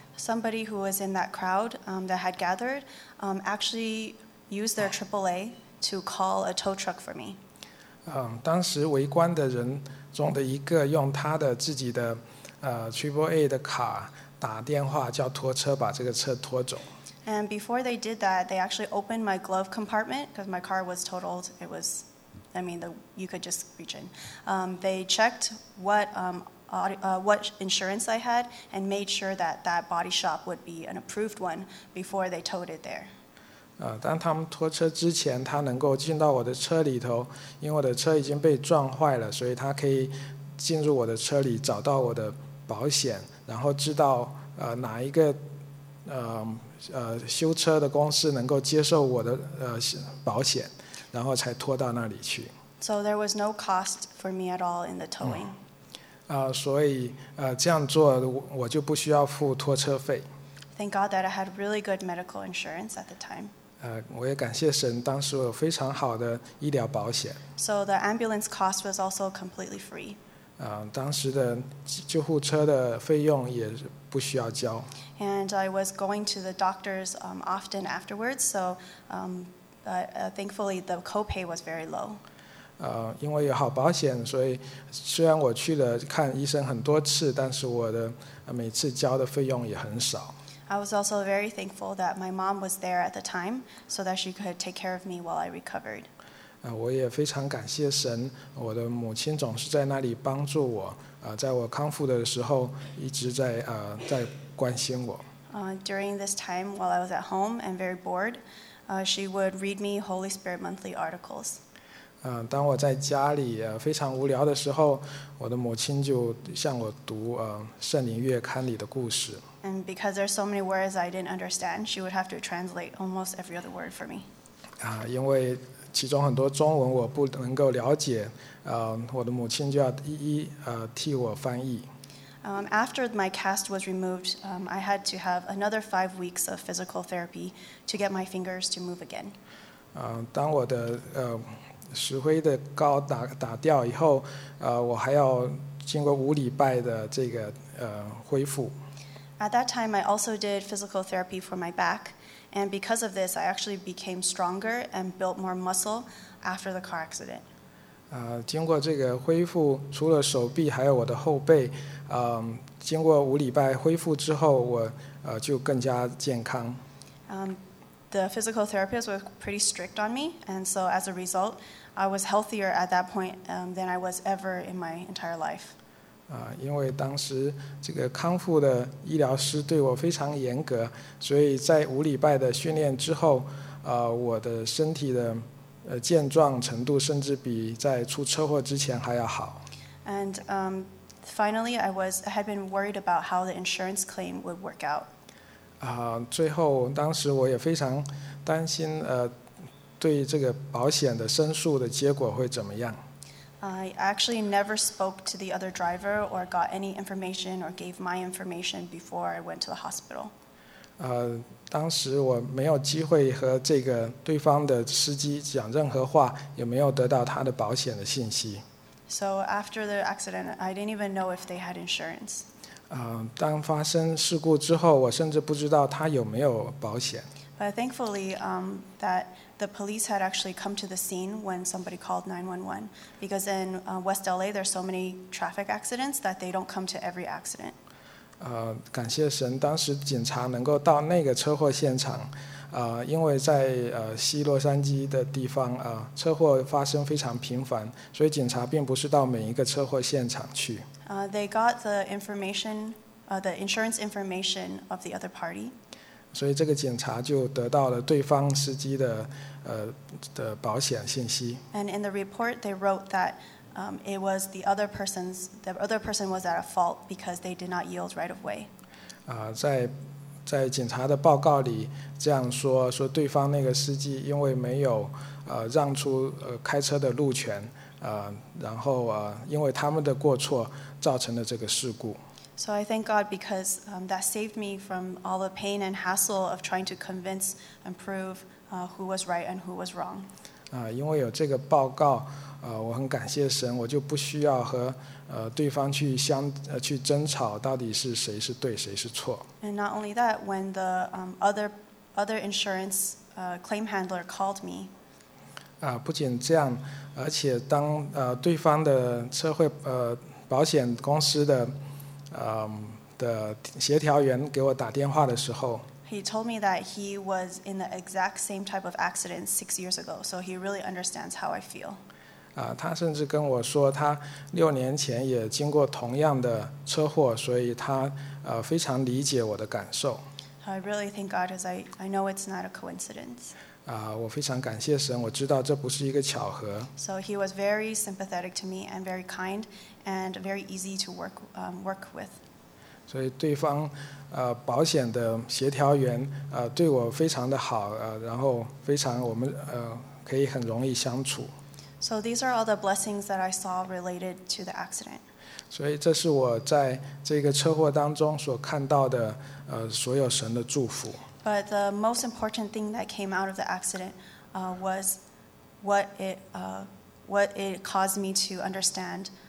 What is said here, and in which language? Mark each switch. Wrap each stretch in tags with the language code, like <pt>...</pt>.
<en>Somebody who was in that crowd that had gathered actually used their AAA to call a tow truck for me.</en> <zh>当时围观的人中的一个用他的自己的AAA 的卡打电话叫拖车把这个车拖走。</zh> <en>And before they did that, they actually opened my glove compartment because my car was totaled. It was, I mean, you could just reach in. They checked what insurance I had and made sure that body shop would be an approved one before they towed it there.</en> <zh>当他们拖车之前，他能够进到我的车里头，因为我的车已经被撞坏了，所以他可以进入我的车里找到我的保险，然后知道哪一个修车的公司能够接受我的保险，然后才拖到那里去。</zh> <en>So there was no cost for me at all in the towing.</en> <zh>所以这样做我就不需要付拖车费。</zh> <en>Thank God that I had really good medical insurance at the time.</en> <zh>我也感谢神，当时我有非常好的医疗保险。</zh> <en>So the ambulance cost was also completely free.</en> <zh>当时的救护车的费用也不需要交。</zh> <en>And I was going to the doctors often afterwards, so thankfully the copay was very low.</en> <zh>因为有好保险，所以虽然我去了看医生很多次，但是我的每次交的费用也很少。</zh> <en>I was also very thankful that my mom was there at the time so that she could take care of me while I recovered.</en> <zh>我也非常感谢神，我的母亲总是在那里帮助我，在我康复的时候一直在关心我。</zh> <en>During this time while I was at home and very bored, she would read me Holy Spirit monthly articles.</en> <zh>当我在家里非常无聊的时候，我的母亲就向我读圣灵月刊里的故事。</zh> <en>And because there are so many words I didn't understand, she would have to translate almost every other word for me.</en> <zh>因为其中很多中文我不能够了解，我的母亲就要一一替我翻译。</zh> <en>After my cast was removed, I had to have another 5 weeks of physical therapy to get my fingers to move again.</en> <zh>当我的石灰的膏打掉以后，我还要经过五礼拜的这个恢复。</zh> <en>At that time, I also did physical therapy for my back, and because of this, I actually became stronger and built more muscle after the car accident.</en> <zh>经过这个恢复，除了手臂，还有我的后背，经过五礼拜恢复之后，我就更加健康。</zh> <en>The physical therapist was pretty strict on me, and so as a result, I was healthier at that point than I was ever in my entire life.</en> <zh>因为当时这个康复的医疗师对我非常严格，所以在五礼拜的训练之后，我的身体的健壮程度甚至比在出车祸之前还要好。</zh> <en>And finally, I had been worried about how the insurance claim would work out.</en> <zh>最后当时我也非常担心对这个保险的申诉的结果会怎么样。</zh> <en>I actually never spoke to the other driver or got any information or gave my information before I went to the hospital.</en> <zh>当时我没有机会和这个对方的司机讲任何话，也没有得到他的保险的信息。</zh> <en>So after the accident, I didn't even know if they had insurance.</en> <zh>当发生事故之后，我甚至不知道他有没有保险。</zh> <en>But thankfully, that the police had actually come to the scene when somebody called 911, because in West LA, there are so many traffic accidents that they don't come to every accident.</en> <zh>感谢神，当时警察能够到那个车祸现场，因为在西洛杉矶的地方，车祸发生非常频繁，所以警察并不是到每一个车祸现场去。</zh> <en>They got the information, the insurance information of the other party.</en> <zh>所以这个警察就得到了对方司机 的保险信息。</zh> <en>And in the report, they wrote that it was the other person was at a fault because they did not yield right of way.</en> <zh>在警察的报告里这样说，说对方那个司机因为没有让出开车的路权，然后因为他们的过错造成了这个事故。</zh> <en>So I thank God because that saved me from all the pain and hassle of trying to convince and prove who was right and who was wrong.</en> <zh>因为有这个报告，我很感谢神，我就不需要和对方去争吵到底是谁是对，谁是错。</zh> <en>And not only that, when the other insurance claim handler called me.</en> <zh>不仅这样，而且当对方的车祸保险公司的的协调员给我打电话的时候，</zh> <en>he told me that he was in the exact same type of accident 6 years ago, so he really understands how I feel.</en> <zh>他甚至跟我说他6年前也经过同样的车祸，所以他非常理解我的感受。</zh> <en>I really thank God, as I know it's not a coincidence.</en> <zh>我非常感谢神，我知道这不是一个巧合。</zh> <en>So he was very sympathetic to me and very kind. And very easy to work with.</en> <zh>所以对方保险的协调员对我非常的好，然后非常我们可以很容易相处。</zh> <en>So these are all the blessings that I saw related to the accident.</en> <zh>所以这是我在这个车祸当中所看到的所有神的祝福。</zh> <en>But the most important thing that came out of the accident was what it caused me to understand.</en>